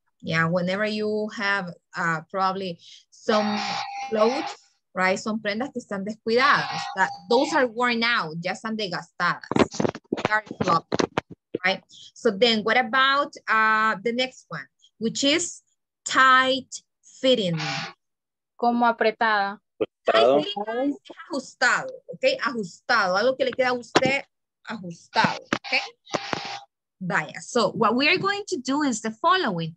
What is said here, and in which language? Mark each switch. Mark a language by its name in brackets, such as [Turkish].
[English] Yeah, whenever you have probably some clothes, right? [Spanish] Son prendas que están descuidadas. [English] That those are worn out, [Spanish] ya están desgastadas. [English] They are sloppy, right? So then, what about the next one, which is tight fitting. [Spanish] Como apretada. Ajustado, ok. Ajustado, algo que le queda a usted ajustado, ok. [English] Vaya, so what we are going to do is the following.